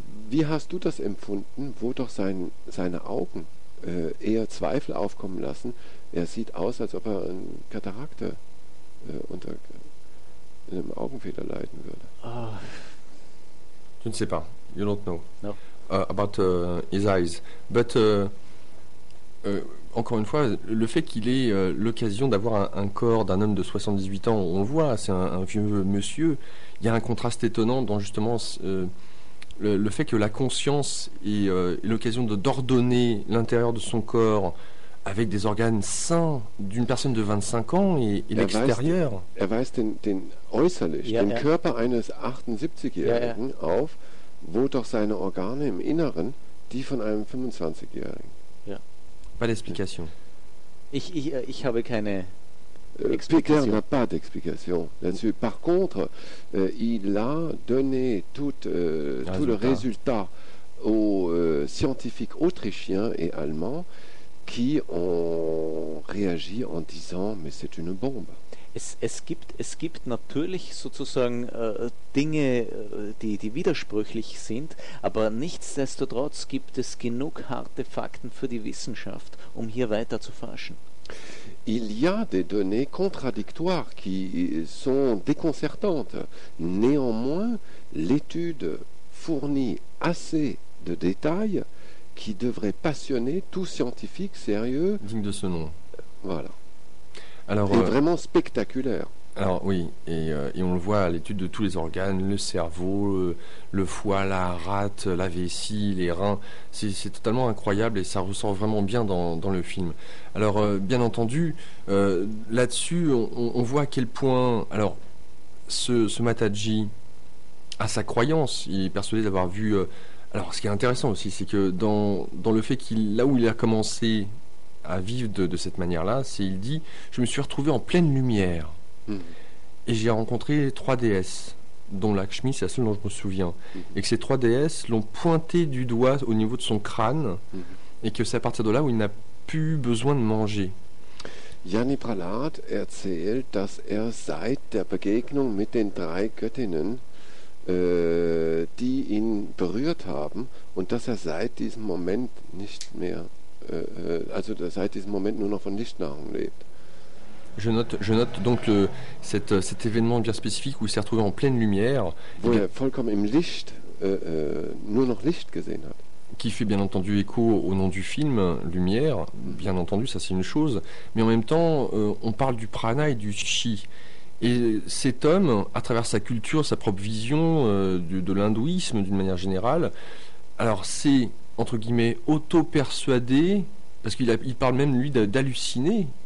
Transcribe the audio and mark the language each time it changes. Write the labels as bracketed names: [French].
[German] Wie hast du das empfunden, wo doch seine Augen eher Zweifel aufkommen lassen? Er sieht aus, als ob er eine Katarakte unter einem Augenfehler leiden würde. [French] Je ne sais pas. [English] You don't know. No. About his eyes. [French] But, encore une fois, le fait qu'il ait l'occasion d'avoir un corps d'un homme de 78 ans, on le voit, c'est un vieux monsieur, il y a un contraste étonnant dans justement le fait que la conscience ait l'occasion d'ordonner l'intérieur de son corps avec des organes sains d'une personne de 25 ans et l'extérieur. [German] Er weist den äußerlich, ja, den ja. Körper eines 78-Jährigen ja, ja. auf, wo doch seine Organe im Inneren die von einem 25-Jährigen. [French] Ja. Pas d'explication. [German] Ich habe keine [French] Pierre n'a pas d'explication là-dessus. Par contre, il a donné tout le résultat aux scientifiques autrichiens et allemands qui ont réagi en disant « mais c'est une bombe ». [German] Es gibt natürlich sozusagen Dinge, die widersprüchlich sind, aber nichtsdestotrotz gibt es genug harte Fakten für die Wissenschaft, um hier weiter zu forschen. [French] Il y a des données contradictoires qui sont déconcertantes. Néanmoins, l'étude fournit assez de détails qui devraient passionner tout scientifique sérieux. Digne de ce nom. Voilà. Alors, et vraiment spectaculaire. Alors oui, et on le voit à l'étude de tous les organes, le cerveau, le foie, la rate, la vessie, les reins. C'est totalement incroyable et ça ressort vraiment bien dans le film. Alors bien entendu, là-dessus, on voit à quel point... Alors, ce Mataji a sa croyance, il est persuadé d'avoir vu... alors ce qui est intéressant aussi, c'est que dans le fait qu'il, là où il a commencé à vivre de cette manière-là, c'est il dit « je me suis retrouvé en pleine lumière ». Et j'ai rencontré trois déesses, dont Lakshmi, c'est la seule dont je me souviens. Et que ces trois déesses l'ont pointé du doigt au niveau de son crâne, et que c'est à partir de là où il n'a plus besoin de manger. [German] Yanni Pralat erzählt, dass seit der Begegnung mit den drei Göttinnen, die ihn berührt haben, und dass seit diesem Moment nicht mehr, also seit diesem Moment nur noch von Lichtnahrung lebt. [French] Je note donc cet événement bien spécifique où il s'est retrouvé en pleine lumière. [German] Wo er vollkommen im Licht, nur noch Licht gesehen hat. [French] Qui fait bien entendu écho au nom du film, Lumière. Bien entendu, ça c'est une chose. Mais en même temps, on parle du prana et du chi. Et cet homme, à travers sa culture, sa propre vision de l'hindouisme d'une manière générale, alors c'est, entre guillemets, auto-persuadé, parce qu'il parle même lui d'halluciner.